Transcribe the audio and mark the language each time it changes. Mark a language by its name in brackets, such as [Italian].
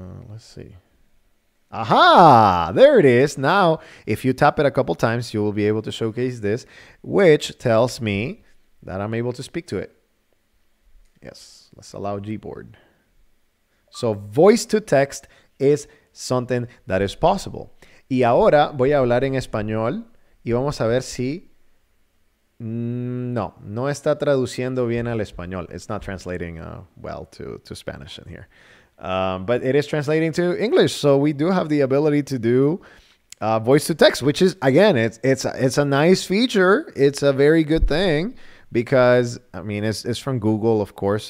[English] Let's see. Aha! There it is. Now, if you tap it a couple times, you will be able to showcase this, which tells me that I'm able to speak to it. Yes, let's allow Gboard. So voice to text is something that is possible. [Spanish] Y ahora voy a hablar en español y vamos a ver si... No está traduciendo bien al español. [English] It's not translating well to Spanish in here. But it is translating to English. So we do have the ability to do voice to text, which is, again, it's a nice feature. It's a very good thing because, I mean, it's from Google, of course.